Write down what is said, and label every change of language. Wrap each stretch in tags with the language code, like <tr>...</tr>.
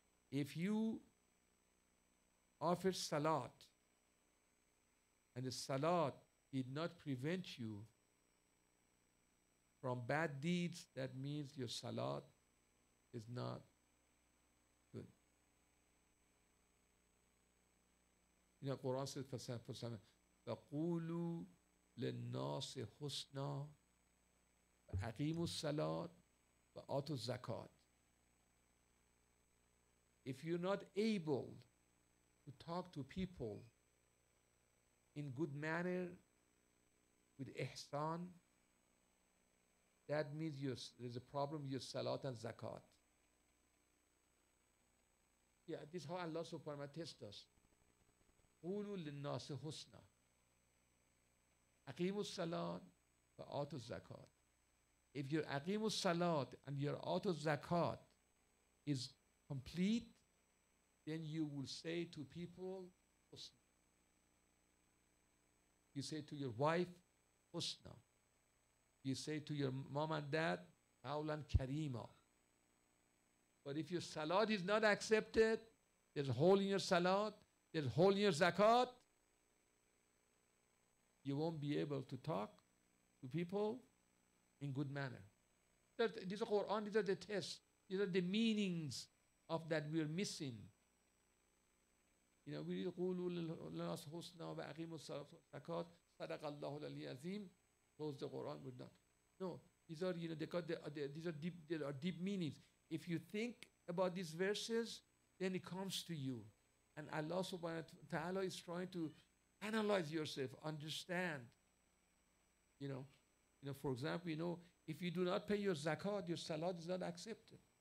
<en>If you offer salat and the salat did not prevent you from bad deeds, that means your salat is not. You know, Quran says,</en> <ar>فَسَنَفُسَنَا فَقُولُوا لِلنَّاسِ حُسْنَا فَأَقِيمُوا الصَّلَاةِ وَآتُوا الزَّكَاةِ.</ar> <en>If you're not able to talk to people in good manner with ihsan, that means there's a problem with your salat and zakat. Yeah, this is how Allah subhanahu wa ta'ala tests us.</en> <ar>قولوا للناس حسنا اقيموا الصلاة وآتوا الزكاة.</ar> <en>If your</en> <ar>اقيموا الصلاة</ar> <en>and your</en> <ar>آتوا الزكاة</ar> <en>is complete, then you will say to people</en> <ar>حسنا.</ar> <en>You say to your wife</en> <ar>حسنا.</ar> <en>You say to your mom and dad</en> <ar>قولا كريما.</ar> <en>But if your salat is not accepted, there's a hole in your salat, there's hole in your zakat, you won't be able to talk to people in good manner. This Quran, these are the tests. These are the meanings of that we're missing. You know, we read</en> <ar>قُولُوا لَنَاسْ حُسْنَا وَأَقِيمُوا الصَّلَاةَ zakat, صَدَقَ اللَّهُ الْعَلِيَ الْعَظِيمُ.</ar> <en>Close the Quran with that. No, these are, you know, there are deep meanings. If you think about these verses, then it comes to you. And Allah subhanahu wa ta'ala is trying to analyze yourself, understand. You know, for example, you know, if you do not pay your zakat, your salat is not accepted.</en>